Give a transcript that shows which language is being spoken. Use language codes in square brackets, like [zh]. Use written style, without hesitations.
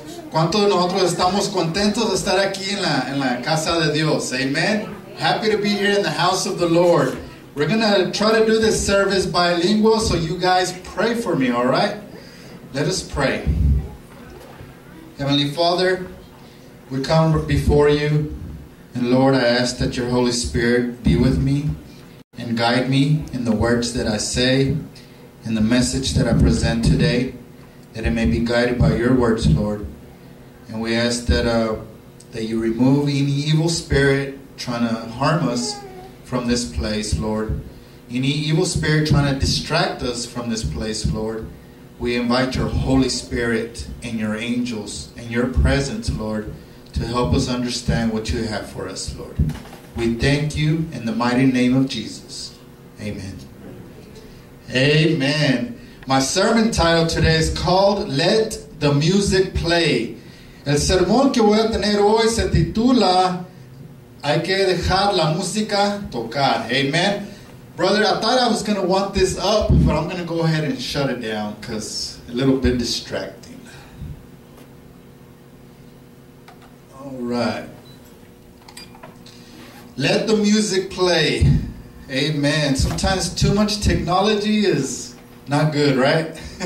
[es] ¿Cuántos de nosotros estamos contentos de estar aquí en la casa de Dios? [en] Amen. Happy to be here in the house of the Lord. We're going to try to do this service bilingual, so you guys pray for me, all right? Let us pray. Heavenly Father, we come before you. And Lord, I ask that your Holy Spirit be with me and guide me in the words that I say and the message that I present today, that it may be guided by your words, Lord. And we ask that you remove any evil spirit trying to harm us from this place, Lord. Any evil spirit trying to distract us from this place, Lord. We invite your Holy Spirit and your angels and your presence, Lord, to help us understand what you have for us, Lord. We thank you in the mighty name of Jesus. Amen. Amen. My sermon title today is called Let the Music Play. [es] El sermón que voy a tener hoy se titula Hay que dejar la música tocar. [en] Amen. Brother, I thought I was going to want this up, but I'm going to go ahead and shut it down because it's a little bit distracting. All right. Let the music play. Amen. Sometimes too much technology is not good, right?